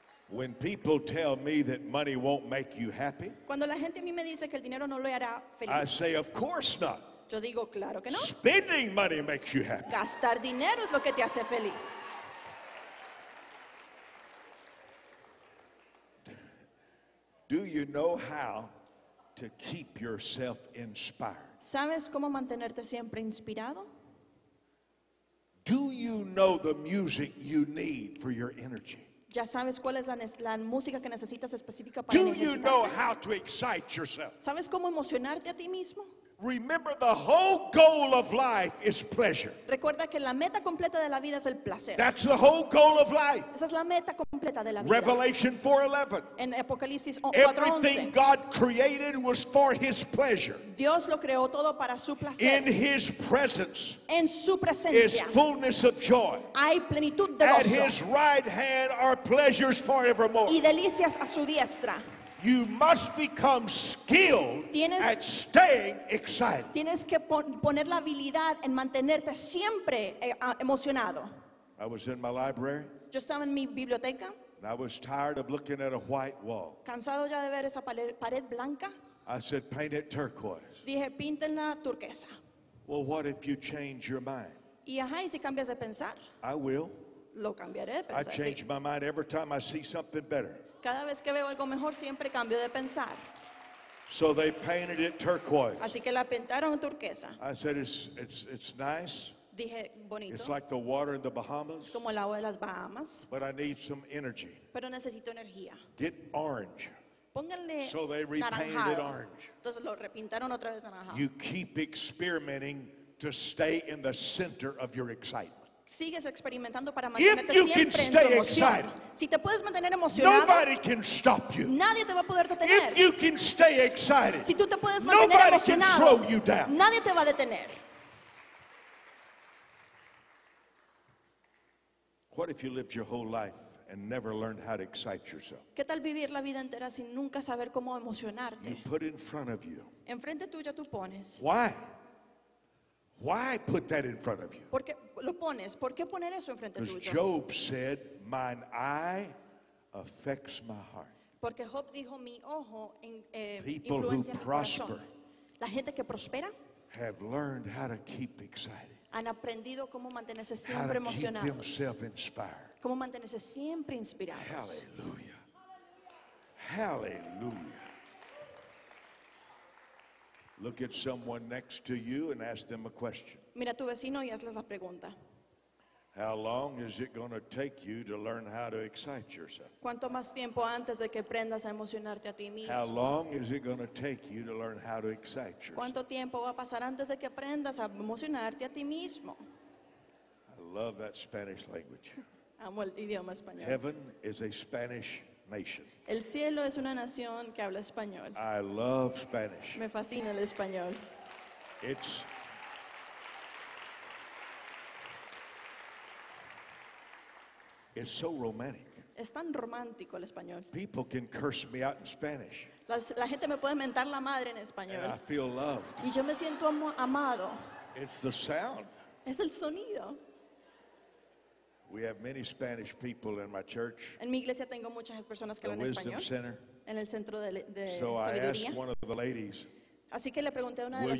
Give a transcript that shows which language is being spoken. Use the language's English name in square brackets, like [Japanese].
[English] When people tell me that money won't make you happy, [Spanish] cuando la gente a mí me dice que el dinero no lo hará feliz, [English] I say, of course not. [Spanish] Yo digo, claro que no. [English] Spending money makes you happy. [Spanish] Gastar dinero es lo que te hace feliz. [English] Do you know how to keep yourself inspired? [Spanish] ¿Sabes cómo mantenerte siempre inspirado? [English] Do you know the music you need for your energy? [Spanish] ¿Ya sabes cuál es la música que necesitas específica para energizarte? [English] Do you know how to excite yourself? [Spanish] ¿Sabes cómo emocionarte a ti mismo? [English] Remember, the whole goal of life is pleasure. [Spanish] Recuerda que la meta completa de la vida es el placer. [English] That's the whole goal of life. [Spanish] Esa es la meta completa de la vida. [English] Revelation 4:11. [Spanish] En Apocalipsis 4:11. [English] Everything God created was for His pleasure. [Spanish] Dios lo creó todo para su placer. [English] In His presence. [Spanish] En su presencia. [English] Is fullness of joy. [Spanish] Hay plenitud de gozo. [English] At His right hand are pleasures forevermore. [Spanish] Y delicias a su diestra. [English] You must become skilled at staying excited. [Spanish] Tienes que poner la habilidad en mantenerte siempre emocionado. [English] I was in my library. [Spanish] Yo estaba en mi biblioteca. [English] And I was tired of looking at a white wall. [Spanish] Cansado ya de ver esa pared blanca. [English] I said, paint it turquoise. [Spanish] Dije, píntenla turquesa. [English] Well, what if you change your mind? [Spanish] Y ajá, ¿y si cambias de pensar? [English] I will. [Spanish] Lo cambiaré de pensar. [English] I change my mind every time I see something better. [Spanish] Cada vez que veo algo mejor, siempre cambio de pensar. [English] So they painted it turquoise. [Spanish] Así que la pintaron turquesa. [English] I said, it's nice. [Spanish] Dije, bonito. [English] It's like the water in the Bahamas. [Spanish] Es como el agua de las Bahamas. [English] But I need some energy. [Spanish] Pero necesito energía. [English] Get orange. [Spanish] Pónganle [English] so they repainted [Spanish] naranjado. [English] It orange. [Spanish] Entonces lo repintaron otra vez naranjado. [English] You keep experimenting to stay in the center of your excitement. [Spanish] Sigues experimentando para mantenerte siempre en emoción. Si te puedes mantener emocionado, nadie te va a poder detener. [English] If you can stay excited, [Spanish] si tú te puedes mantener emocionado, [English] can throw you down. [Spanish] Nadie te va a detener. [English] What if you lived your whole life and never learned how to excite yourself? [Spanish] ¿Qué tal vivir la vida entera sin nunca saber cómo emocionarte? [English] You put in front of you. [Spanish] Enfrente tuya tú pones. [English] Why? Why put that in front of you? [Spanish] ¿Por qué lo pones? ¿Por qué poner eso enfrente tuyo? [English] Because Job said, "Mine eye affects my heart." [Spanish] Porque Job dijo, mi ojo influencia mi corazón. [English] People who prosper, [Spanish] la gente que prospera, [English] have learned how to keep excited. [Spanish] Han aprendido cómo mantenerse siempre emocionados. [English] How to keep themselves inspired. [Spanish] Cómo mantenerse siempre inspirados. [English] Hallelujah. Hallelujah. Look at someone next to you and ask them a question. [Spanish] Mira a tu vecino y hazles la pregunta. [English] How long is it going to take you to learn how to excite yourself? [Spanish] ¿Cuánto más tiempo antes de que aprendas a emocionarte a ti mismo? [English] How long is it going to take you to learn how to excite yourself? [Spanish] ¿Cuánto tiempo va a pasar antes de que aprendas a emocionarte a ti mismo? [English] I love that Spanish language. [Spanish] Amo el idioma español. [English] Heaven is a Spanish nation. [Spanish] El cielo es una nación que habla español. [English] I love Spanish. [Spanish] Me fascina el español. [English] It's so romantic. [Spanish] Es tan romántico el español. [English] People can curse me out in Spanish. [Spanish] La gente me puede mentar la madre en español. [English] And I feel loved. [Spanish] Y yo me siento amado. [English] It's the sound. [Spanish] Es el sonido. [English] We have many Spanish people in my church. [Spanish] En mi iglesia tengo muchas personas que hablan español. [English] The Wisdom Center. [Spanish] En el centro de sabiduría. [English] So I asked one of the ladies. [Spanish] Así que le pregunté a una de las